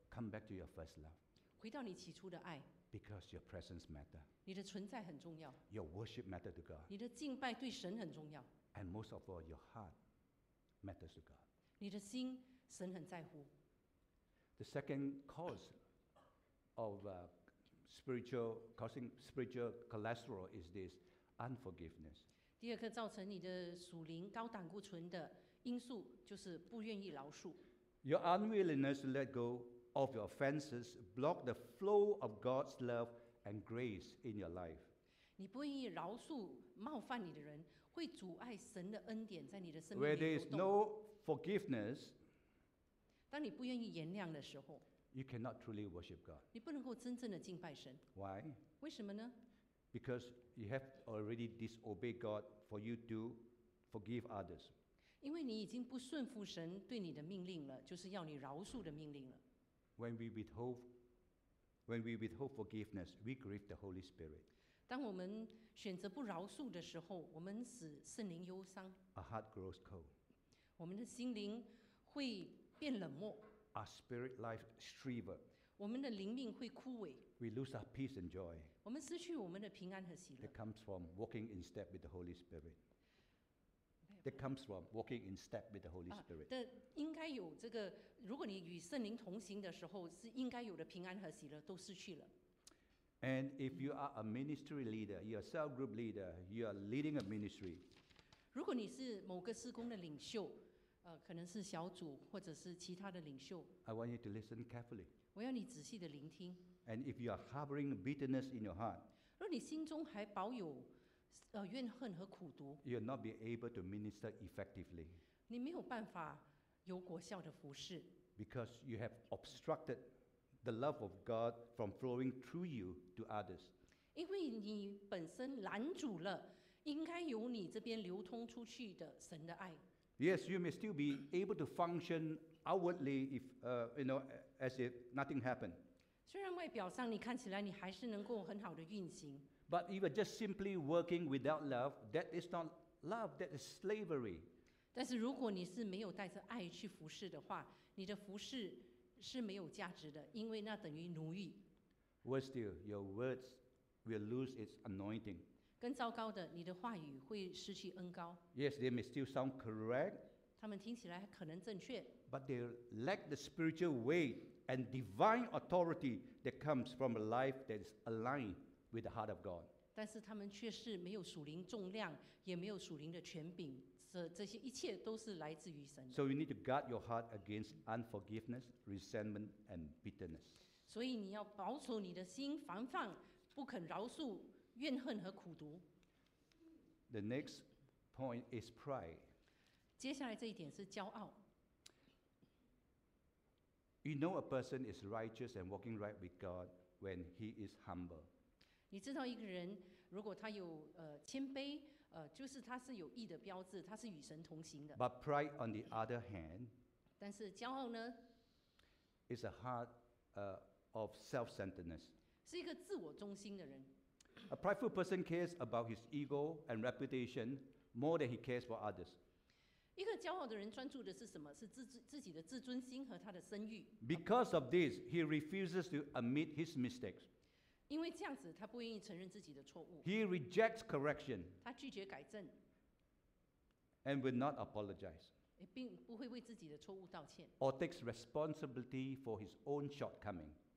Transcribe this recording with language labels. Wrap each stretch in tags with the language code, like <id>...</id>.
<en>Come back to your first love.</en> <zh>回到你起初的爱。</zh> <en>Because your presence matters.</en> <zh>你的存在很重要。</zh> <en>Your worship matters to God.</en> <zh>你的敬拜对神很重要。</zh> <en>And most of all, your heart matters to God.</en> <zh>你的心，神很在乎。</zh> <en>The second cause of causing spiritual cholesterol is this unforgiveness.</en> <zh>第二个造成你的属灵高胆固醇的因素就是不愿意饶恕。</zh> <en>Your unwillingness to let go. Of your offenses block the flow of God's love and grace in your life.</en> <zh>你不愿意饶恕冒犯你的人，会阻碍神的恩典在你的生命里流动。</zh> <en>Where there is no forgiveness,</en> <zh>当你不愿意原谅的时候</zh> <en>you cannot truly worship God.</en> <zh>你不能够真正的敬拜神。</zh> <en>Why?</en> <zh>为什么呢？</zh> <en>Because you have already disobeyed God for you to forgive others.</en> <zh>因为你已经不顺服神对你的命令了，就是要你饶恕的命令了。</zh> <en>When we withhold forgiveness, we grieve the Holy Spirit.</en> <zh>当我们选择不饶恕的时候，我们使圣灵忧伤。</zh> <en>Our heart grows cold.</en> <zh>我们的心灵会变冷漠。</zh> <en>Our spirit life shriver.</en> <zh>我们的灵命会枯萎。</zh> <en>We lose our peace and joy.</en> <zh>我们失去我们的平安和喜乐。</zh> <en>That comes from walking in step with the Holy Spirit. That comes from walking in step with the Holy Spirit.</en> <zh>的应该有这个，如果你与圣灵同行的时候，是应该有的平安和喜乐都失去了。</zh> <en>And if you are a ministry leader, you are cell group leader, you are leading a ministry.</en> <zh>如果你是某个事工的领袖。可能是小组或者是其他的领袖。</zh> <en>I want you to listen carefully.</en> <zh>我要你仔细的聆听。</zh> <en>And if you are harboring bitterness in your heart,</en> <zh>如果你心中还保有怨恨和苦毒，</zh> <en>you'll not be able to minister effectively.</en> <zh>你没有办法有果效的服事。</zh> <en>Because you have obstructed the love of God from flowing through you to others.</en> <zh>因为你本身拦阻了应该由你这边流通出去的神的爱。</zh> <en>Yes, you may still be able to function outwardly if, you know, as if nothing happened.</en> <zh>虽然外表上你看起来你还是能够很好的运行。</zh> <en>But if you are just simply working without love, that is not love, that is slavery.</en> <zh>但是如果你是没有带着爱去服侍的话，你的服侍是没有价值的，因为那等于奴役。</zh> <en>Worse still, your words will lose its anointing.</en> <zh>更糟糕的，你的话语会失去恩膏。</zh> <en>Yes, they may still sound correct.</en> <zh>他们听起来可能正确。</zh> <en>But they lack the spiritual weight and divine authority that comes from a life that is aligned with the heart of God.</en> <zh>但是他们却是没有属灵重量，也没有属灵的权柄。这些一切都是来自于神。</zh> <en>So you need to guard your heart against unforgiveness, resentment, and bitterness.</en> <zh>所以你要保守你的心，防范不肯饶恕。怨恨和苦毒。</zh> <en>The next point is pride.</en> <zh>接下来这一点是骄傲。</zh> <en>You know a person is righteous and walking right with God when he is humble.</en> <zh>你知道一个人如果他有谦卑，就是他是有义的标志，他是与神同行的。</zh> <en>But pride, on the other hand,</en> <zh>但是骄傲呢</zh> <en>？Is a heart of self-centeredness.</en> <zh>是一个自我中心的人。</zh> <en>A prideful person cares about his ego and reputation more than he cares for others.</en> <zh>一个骄傲的人专注的是什么？是自己的自尊心和他的声誉。</zh> <en>Because of this, he refuses to admit his mistakes.</en> <zh>因为这样子，他不愿意承认自己的错误。</zh> <en>He rejects correction.</en> <zh>他拒绝改正。</zh> <en>And will not apologize.</en> <zh>也并不会为自己的错误道歉。</zh> <en>Or takes responsibility for his own shortcoming.</en>